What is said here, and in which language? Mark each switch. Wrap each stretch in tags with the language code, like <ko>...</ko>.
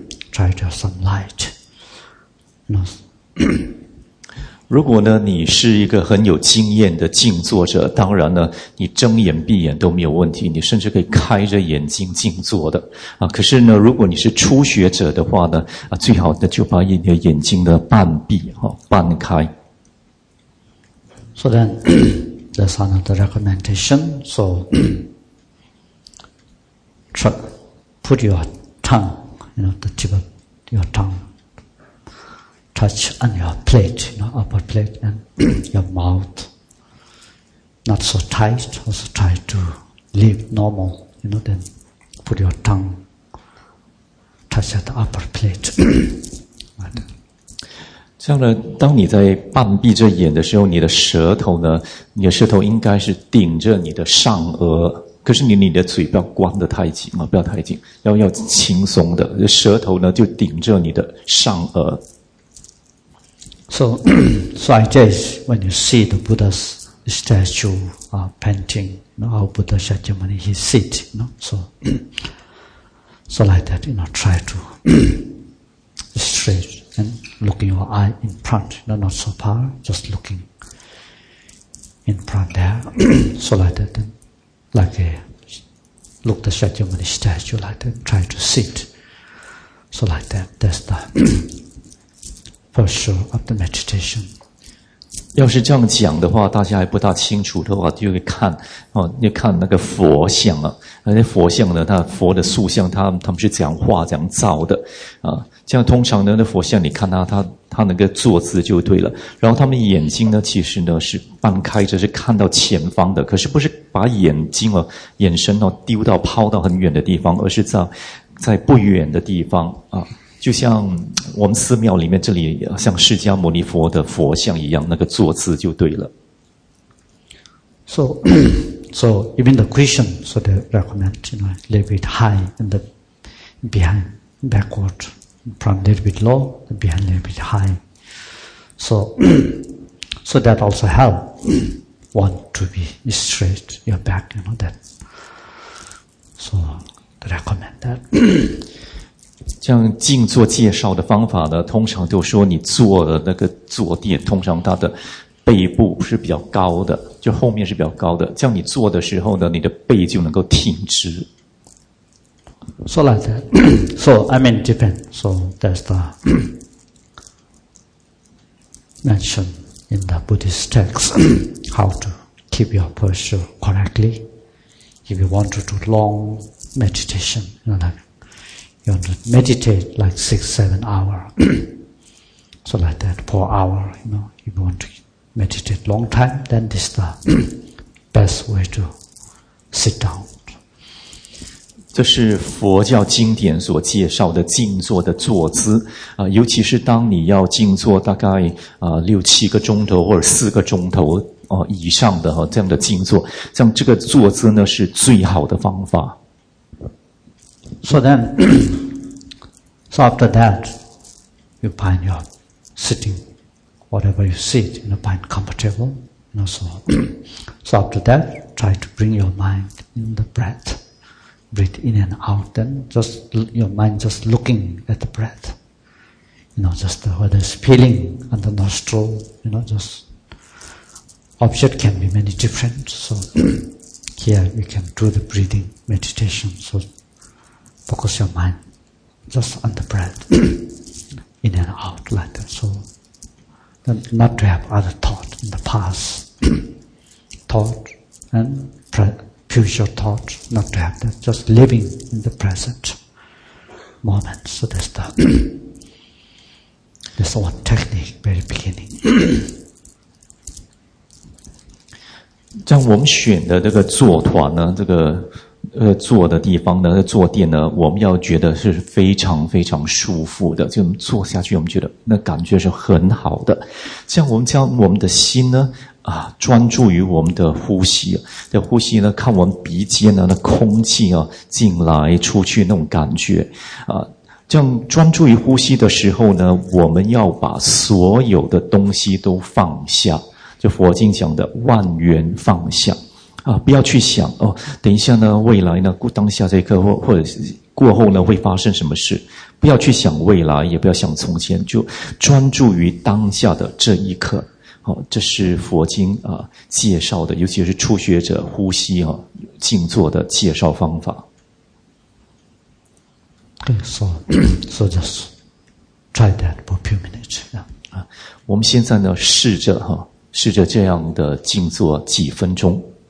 <en>Try to have some light. You know.</en> <zh>如果呢，你是一个很有经验的静坐者，当然呢，你睁眼闭眼都没有问题，你甚至可以开着眼睛静坐的啊。可是呢，如果你是初学者的话呢，啊，最好呢就把你的眼睛呢半闭哈，半开。</zh> <en>So then, that's another recommendation. So, try put your tongue, you know, the tip of your tongue. Touch on your plate, you know, upper plate, and your mouth not so tight, also try to live normal, you know, then put your tongue touch at the upper plate.</en> <zh>这样呢，当你在半闭着眼的时候，你的舌头呢，你的舌头应该是顶着你的上颚，可是你的嘴不要关得太紧啊，不要太紧，要轻松的，舌头呢就顶着你的上颚。</zh> <en>So I guess when you see the Buddha's statue, painting, you know, our Buddha Shakyamuni, he sit, you know, so like that, you know, try to straight and looking your eye in front, you know, not so far, just looking in front there, so like that, then, like a, look the Shakyamuni statue like that, try to sit, so like that, that's the posture of the meditation.</en> <zh>要是这样讲的话，大家还不大清楚的话，就会看哦，就看那个佛像啊，那佛像呢，它佛的塑像，他们是怎样画、怎样造的啊？这样通常呢，那佛像你看他那个坐姿就对了。然后他们眼睛呢，其实呢是半开着，是看到前方的，可是不是把眼睛啊、眼神哦、丢到抛到很远的地方，而是在不远的地方啊。就像我们寺庙里面这里像释迦牟尼佛的佛像一样，那个坐姿就对了。</zh> <en>So even the cushion, so they recommend, you know, a little bit high and the behind backward, from a little bit low, the behind a little bit high. So that also help one to be straight your back, you know that. So they recommend that.</en> <zh>这样静坐介绍的方法呢，通常都说你坐的那个坐垫，通常它的背部是比较高的，就后面是比较高的，这样你坐的时候呢，你的背就能够挺直。</zh> <en>So like that. So I mean different. So that's the mention in the Buddhist text how to keep your posture correctly. If you want to do long meditation, you know, like you want to meditate like 6-7 hours. So like that, 4 hours, you know, if you want to meditate long time, then this is the best way to sit down.</en> <zh>这是佛教经典所介绍的静坐的坐姿、尤其是当你要静坐大概、6-7个钟头或者4个钟头、以上的、这样的静坐，像这个坐姿呢是最好的方法。</zh> <en>So then, so after that, you find your sitting, whatever you sit, you know, find comfortable, you know, so after that, try to bring your mind in the breath, breathe in and out, then just, your mind just looking at the breath, you know, just the, whether it's feeling on the nostril, you know, just, object can be many different, so here you can do the breathing meditation, so,Focus your mind just on the breath, in and out like that. So, not to have other thought in the past thought and future thought, not to have that, just living in the present moment. So that's the, that's one technique, very beginning.</en> <zh>像我们选的这个坐团呢，这个坐的地方呢，坐垫呢，我们要觉得是非常非常舒服的，就坐下去，我们觉得那感觉是很好的。像我们将我们的心呢，专注于我们的呼吸，的呼吸呢，看我们鼻尖呢，那空气啊进来出去那种感觉，啊，这样专注于呼吸的时候呢，我们要把所有的东西都放下，就佛经讲的万缘放下。不要去想哦，等一下呢，未来呢，当下这一刻或者过后呢，会发生什么事？不要去想未来，也不要想从前，就专注于当下的这一刻。好、哦，这是佛经啊、介绍的，尤其是初学者呼吸啊、静坐的介绍方法。对</zh> <en>，so just try that for a few minutes.</en> <zh>我们现在呢，试着这样的静坐几分钟。</zh>